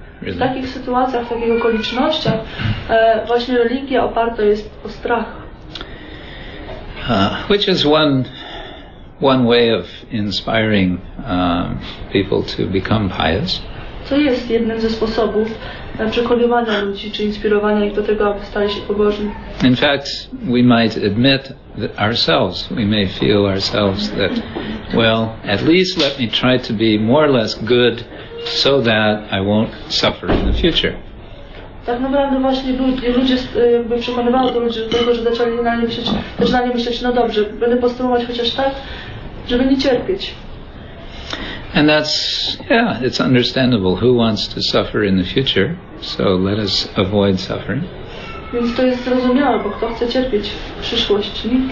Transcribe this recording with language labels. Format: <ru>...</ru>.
<pl>W takich sytuacjach, w takich okolicznościach, właśnie religia oparta jest o strach.</pl> <en>Which is one way of inspiring people to become pious.</en> <pl>Co jest jednym ze sposobów przekonywania ludzi, czy inspirowania ich do tego, aby stali się pobożni.</pl> <en>In fact, we might admit that ourselves, we may feel ourselves that, well, at least let me try to be more or less good so that I won't suffer in the future.</en> <pl>Tak naprawdę właśnie ludzie jakby przekonywało to ludzi do tego, że zaczynali myśleć, no dobrze, będę postulować chociaż tak, żeby nie cierpieć.</pl> <en>And that's, yeah, it's understandable. Who wants to suffer in the future? So let us avoid suffering.</en> <pl>Więc to jest zrozumiałe, bo kto chce cierpieć w przyszłości?</pl>